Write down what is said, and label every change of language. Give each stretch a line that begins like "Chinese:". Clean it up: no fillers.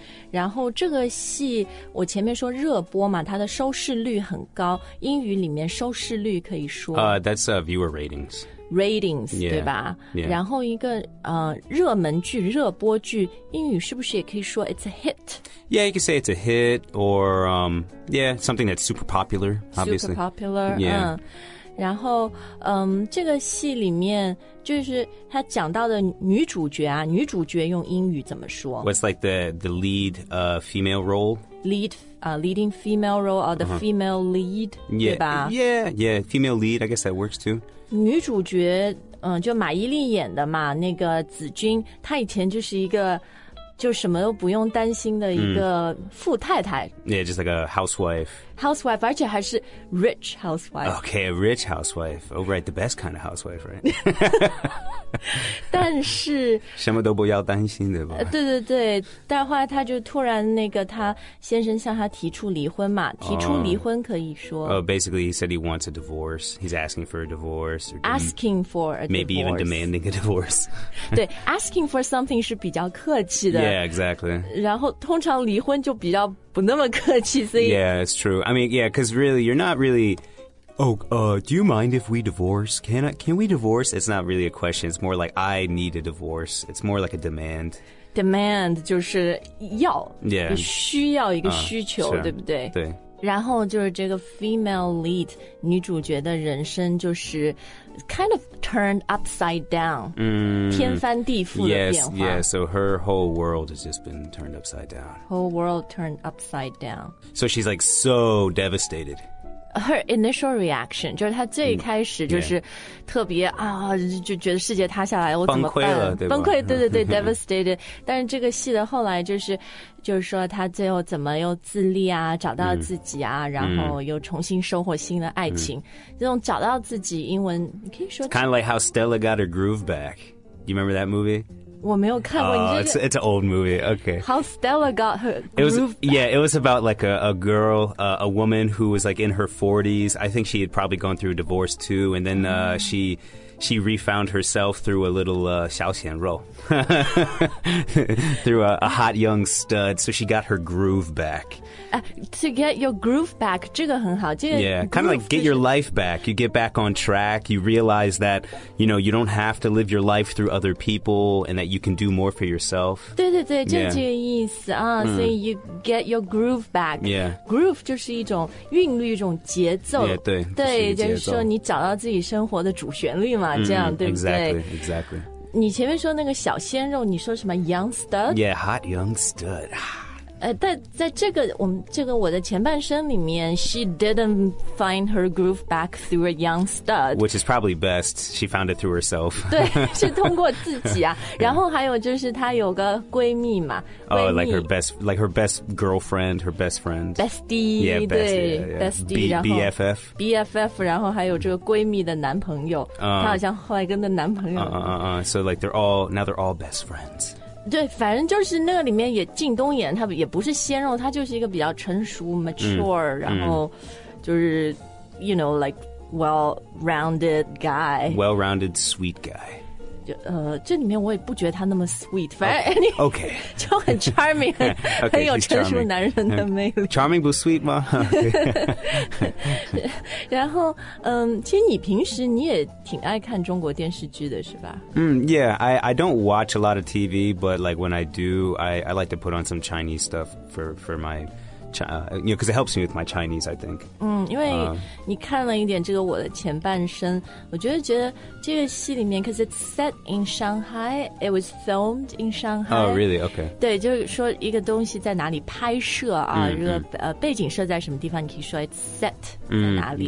Chinese: 然后这个戏我前面说热播嘛，它的收视率很高，英语里面收视率可以说
English: That's viewer ratings. Ratings, yeah,
Chinese: 对吧、
English: yeah.
Chinese: 然后一个热门剧热播剧英语是不是也可以说
English: it's a hit? Yeah, you can say it's a hit or, yeah, something that's super popular, obviously. Super popular, yeah.
Chinese: 然后这个戏里面就是他讲到的女主角啊，女主角用英语怎么说？
English: What's like the lead female role? Leading female role or the female lead,、 yeah. 对吧？ Yeah, female lead, I guess that works too.
Chinese: 女主角就马伊琍演的嘛，那个子君，她以前就是一个就什么都不用担心的一个富太太。
English: Yeah, just like a housewife. Housewife,
Chinese: 而且还是
English: rich housewife. Okay, a rich housewife. Oh, right, the best kind of housewife, right?
Chinese: 但是什么都不要担心，对吧？对对对，但后来她就突然那个她先生向她提出离婚嘛，提出离婚可以说。
English: Basically, he said he wants a divorce. He's asking for a divorce. Asking for a divorce. Maybe even demanding a divorce.
Chinese: 对 ，
English: asking for something
Chinese: 是比较客气的。
English: Yeah, exactly.
Chinese: 然后通常离婚就比较不那么客气，所以
English: Yeah, it's true. I mean, yeah, because really, you're not really. Do you mind if we divorce? Can we divorce? It's not really a question. It's more like I need a divorce. It's more like a demand.
Chinese: Demand 就是要
English: Yeah,
Chinese: 需要一个需求、
English: sure.
Chinese: 对不对？对。然后就是这个 female lead 女主角的人生就是
English: kind of turned upside down、
Chinese: 天翻地覆的变化
English: yes, yeah, so her whole world has just been turned upside down whole world turned upside down so she's like so devastated her initial reaction
Chinese: 就是她最开始就是特别、就觉得世界塌下来我怎么办崩溃了对吧崩溃对对对devastated 但是这个戏的后来就是就是说他最后怎么又自立啊找到自己啊、然后又重新收获新的爱情、这种找到自己英文你可以说
English: It's kind of like how Stella got her groove back You remember that movie?
Chinese: 我没有看过、
English: it's an old movie, okay How Stella got her groove back Yeah, it was about like a girl, a woman who was like in her 40s I think she had probably gone through a divorce too And then、she refound herself through a little
Chinese: 小鲜肉
English: through a hot young stud so she got her groove back to get your groove back
Chinese: 这个很好、这个、
English: yeah kind of like get your life back you get back on track you realize that you know you don't have to live your life through other people and that you can do more for yourself
Chinese: 对对对就这个意思、所以
English: you get your groove back yeah
Chinese: groove 就是一种韵律一种节奏
English: yeah, 对
Chinese: 对就是说你找到自己生活的主旋律嘛这样、对不对
English: exactly
Chinese: 你前面说那个小鲜肉你说什么
English: young stud yeah hot young stud
Chinese: 但在这个我们这个我的前半生里面
English: she didn't find her groove back through a young stud which is probably best she found it through herself
Chinese: 对是通过自己啊然后还有就是她有个闺蜜嘛
English: Oh, like her best girlfriend, her best friend. Bestie. Yeah, bestie. BFF.
Chinese: BFF, 然后还有这个闺蜜的男朋友。她好像后来跟的男朋友。
English: So like they're all, now they're all best friends.
Chinese: 对，反正就是那个里面也靳东演，他也不是鲜肉，他就是一个比较成熟 mature，然后就是
English: you know like well rounded guy， well rounded sweet guy。
Chinese: 这里面我也不觉得他那么 sweet， 反正
English: OK
Chinese: 就很 charming， 很,
English: okay,
Chinese: 很有成熟男人的魅力。 charming 不 sweet 吗？然后其实你平时你也挺爱看中国电视剧的是吧？
English: Yeah, I don't watch a lot of TV, but like when I do, I like to put on some Chinese stuff for my you know, because it helps me with my Chinese, I think.
Chinese: 因为你看了一点这个我的前半生，我觉得这个戏里面
English: because it's set in Shanghai, it was filmed in Shanghai. Oh, really? Okay.
Chinese: 对，就是说一个东西在哪里拍摄啊，这个背景设在什么地方，你可以说
English: it's set
Chinese: 在哪里。